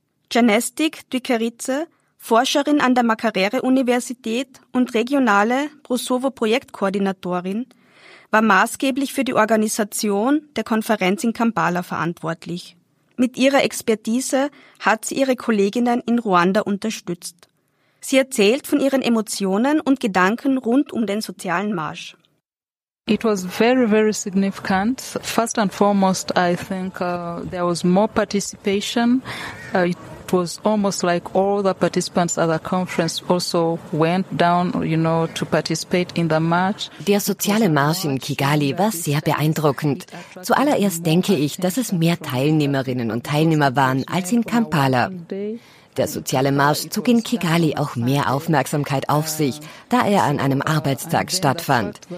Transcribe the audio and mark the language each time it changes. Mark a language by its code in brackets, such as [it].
[de] Janestik Dwikeritse, Forscherin an der Makerere-Universität und regionale Prosovo-Projektkoordinatorin, war maßgeblich für die Organisation der Konferenz in Kampala verantwortlich. Mit ihrer Expertise hat sie ihre Kolleginnen in Ruanda unterstützt. Sie erzählt von ihren Emotionen und Gedanken rund um den sozialen Marsch. [en] It was very, very significant. First and foremost, I think there was more participation. It was almost like all the participants at the conference also went down, you know, to participate in the march. [de] Der soziale Marsch in Kigali war sehr beeindruckend. Zuallererst denke ich, dass es mehr Teilnehmerinnen und Teilnehmer waren als in Kampala. Der soziale Marsch zog in Kigali auch mehr Aufmerksamkeit auf sich, da er an einem Arbeitstag stattfand.